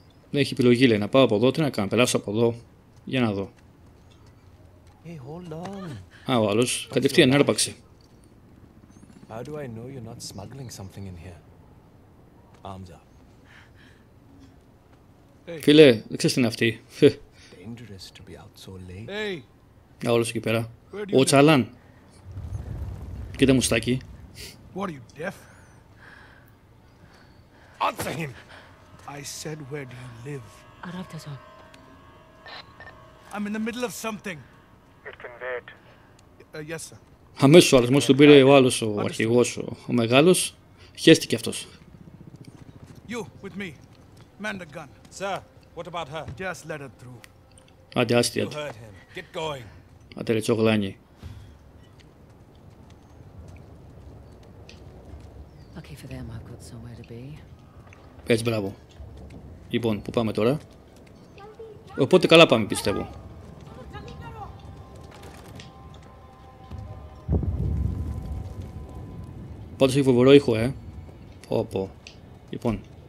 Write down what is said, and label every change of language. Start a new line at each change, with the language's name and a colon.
Greek: Δεν έχει επιλογή, λέει, να πάω από εδώ, τι να κάνω, περάσω από εδώ. Για να δω. Α, ο άλλος, κατευθείαν άρπαξε.
English: How do I know you're not smuggling something in here? Arms up. Hey.
Greek: Φίλε, δεν ξέρεις τι είναι αυτή.
English: Dangerous to be out so late. Hey.
Greek: Α, όλος εκεί πέρα. Ο Τσαλάν. Κοίτα μουστάκι.
English: What are you, deaf? Answer him. I said, where do you live? Araftazon. I'm in the middle of something. It can wait. Yes, sir.
Greek: Αμέσως ο αρισμός του πήρε ο άλλος, ο αρχηγός, ο μεγάλος. Χαίστηκε αυτός.
English: You, with me. Man the gun. Sir, what about her? Just let her through.
Greek: Άντε, άστι, άντε.
English: You heard him. Get going.
Greek: Άντε, ρε τσογλάνι.
English: Lucky for them, I've got somewhere to be.
Greek: Έτσι, μπράβο. Λοιπόν, πού πάμε τώρα. Οπότε καλά πάμε, πιστεύω. Πάντως έχει φοβερό ήχο, ε. Πω, πω. Λοιπόν.